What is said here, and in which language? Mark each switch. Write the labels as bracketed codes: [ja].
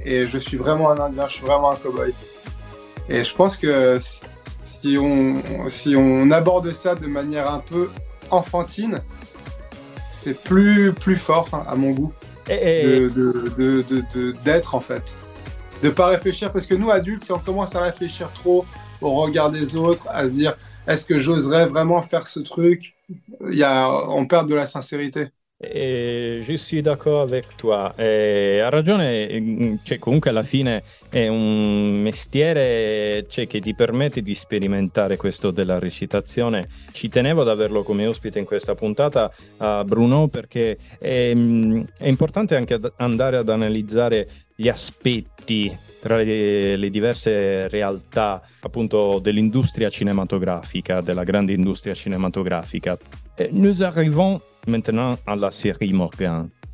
[fr] Et je suis vraiment un Indien, je suis vraiment un cow-boy. Et je pense que si on aborde ça de manière un peu enfantine, c'est plus fort, hein, à mon goût, d'être, en fait. De ne pas réfléchir, parce que nous, adultes, si on commence à réfléchir trop au regard des autres, à se dire « est-ce que j'oserais vraiment faire ce truc ?» on perd de la sincérité. Et je suis d'accord avec toi. [it] Ha ragione, cioè, comunque alla fine è un mestiere, cioè, che ti permette di sperimentare questo della recitazione. Ci tenevo ad averlo come ospite in questa puntata, a Bruno, perché è importante anche andare ad analizzare gli aspetti tra le diverse realtà, appunto, dell'industria cinematografica, della grande industria cinematografica. [fr] Nous arrivons maintenant à la série Morgan.